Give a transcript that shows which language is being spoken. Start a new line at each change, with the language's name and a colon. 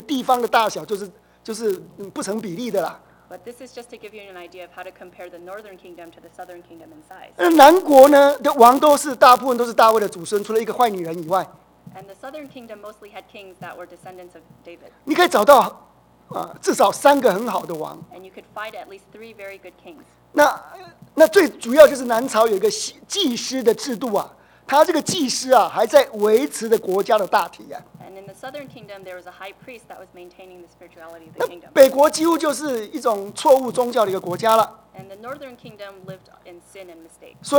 Chinese: 我只是跟你们让你们知道说那个地方的大小就是不成比例的啦。
English: But this is just to give you an idea of how to compare the northern kingdom to the southern kingdom in size.
Chinese: 南国呢的王都是大部分都是大卫的祖孙，除了一个坏女人以外。
English: And the southern kingdom mostly had kings that were descendants of David.
Chinese: 你可以找到至少3个很好的王。
English: And you could find at least 3 very good kings.
Chinese: 那最主要就是南朝有一个祭司的制度啊。他这个祭司啊，还在维持着国家的大体啊。And
English: in the southern kingdom, there was a high priest that was maintaining the spirituality of the kingdom.
Chinese: 那北国几乎就是一种错误宗教的一个国家了。And
English: the northern kingdom lived in sin and mistake.